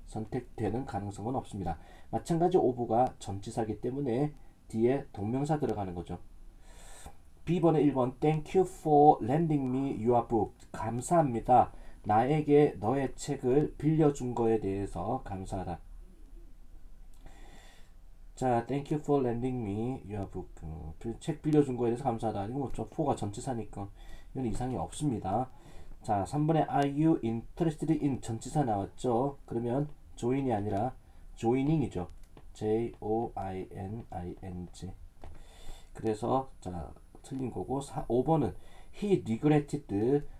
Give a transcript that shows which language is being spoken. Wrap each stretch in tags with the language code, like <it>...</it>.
<ko>선택되는 가능성은 없습니다. 마찬가지 of가 전치사이기 때문에 뒤에 동명사 들어가는 거죠. B번에 1번,</ko> <en>Thank you for lending me your book.</en> <ko>감사합니다. 나에게 너의 책을 빌려준 거에 대해서 감사하다.</ko> <en>자, Thank you for lending me your book.</en> <ko>책 빌려준 거에 대해서 감사하다. 이거 뭐저 for가 전치사니까 이건 이상이 없습니다. 자, 3번에</ko> <en>Are you interested in</en> <ko>전치사 나왔죠? 그러면 join이 아니라 joining이죠. joining. 그래서 자, 틀린 거고, 5번은</ko> <en>he regretted.</en>